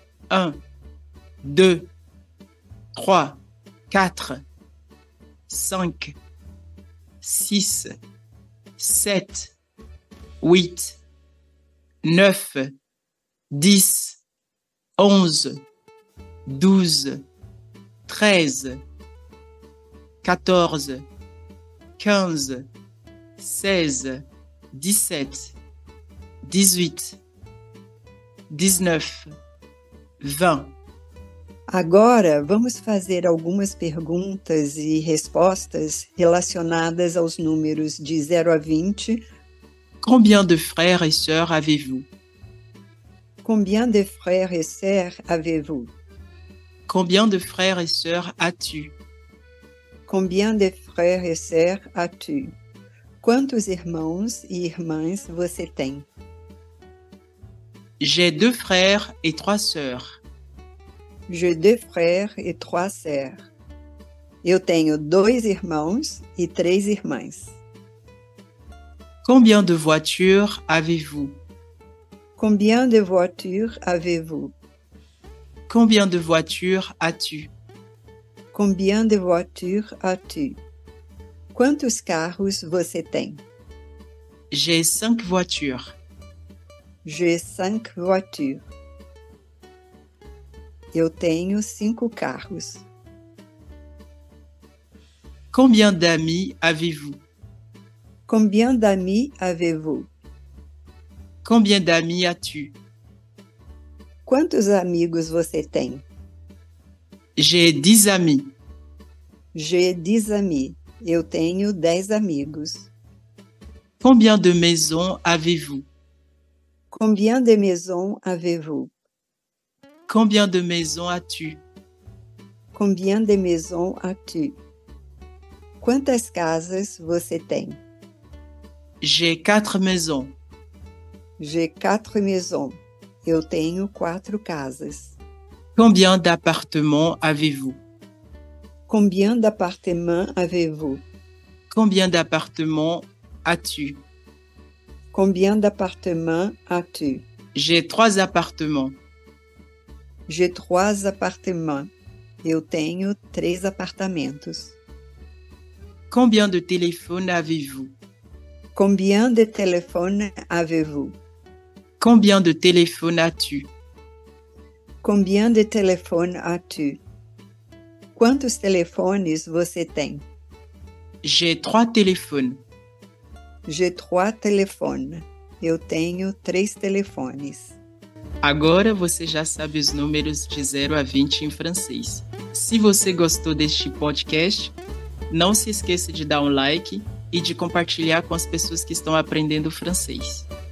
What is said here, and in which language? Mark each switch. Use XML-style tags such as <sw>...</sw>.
<fr>1, 2, 3, 4, 5, 6, 7, 8, 9, 10, 11, 12, 13, 14, 15, 16, 17, 18, 19. 20.</fr> <pt>Agora, vamos fazer algumas perguntas e respostas relacionadas aos números de 0 a 20.</pt> <fr>Combien de frères et sœurs avez-vous? Combien de frères et sœurs avez-vous? Combien de frères et sœurs as-tu? Combien de frères et sœurs as-tu?</fr> <pt>Quantos irmãos e irmãs você tem?</pt> <fr>J'ai deux frères et trois sœurs. J'ai deux frères et trois sœurs.</fr> <pt>Eu tenho dois irmãos e três irmãs.</pt> <fr>Combien de voitures avez-vous? Combien de voitures avez-vous? Combien de voitures as-tu? Combien de voitures as-tu?</fr> <pt>Quantos carros você tem?</pt> <fr>J'ai cinq voitures. J'ai cinq voitures.</fr> <pt>Eu tenho cinco carros.</pt> <fr>Combien d'amis avez-vous? Combien d'amis avez-vous? Combien d'amis as-tu?</fr> <pt>Quantos amigos você tem?</pt> <fr>J'ai dix amis. J'ai dix amis.</fr> <pt>Eu tenho dez amigos.</pt> <fr>Combien de maisons avez-vous? Combien de maisons avez-vous? Combien de maisons as-tu? Combien de maisons as-tu?</fr> <pt>Quantas casas você tem?</pt> <fr>J'ai quatre maisons. J'ai quatre maisons.</fr> <pt>Eu tenho quatro casas.</pt> <fr>Combien d'appartements avez-vous? Combien d'appartements avez-vous? Combien d'appartements as-tu? Combien d'appartements as-tu? J'ai trois appartements. J'ai trois appartements.</fr> <pt>Eu tenho três apartamentos.</pt> <fr>Combien de téléphones avez-vous? Combien de téléphones avez-vous? Combien de téléphones as-tu? Combien de téléphones as-tu?</fr> <pt>Quantos téléphones você tem?</pt> <fr>J'ai trois téléphones. J'ai trois téléphones.</fr> <pt>Eu tenho três telefones. Agora você já sabe os números de 0 a 20 em francês. Se você gostou deste podcast, não se esqueça de dar um like e de compartilhar com as pessoas que estão aprendendo francês.</pt>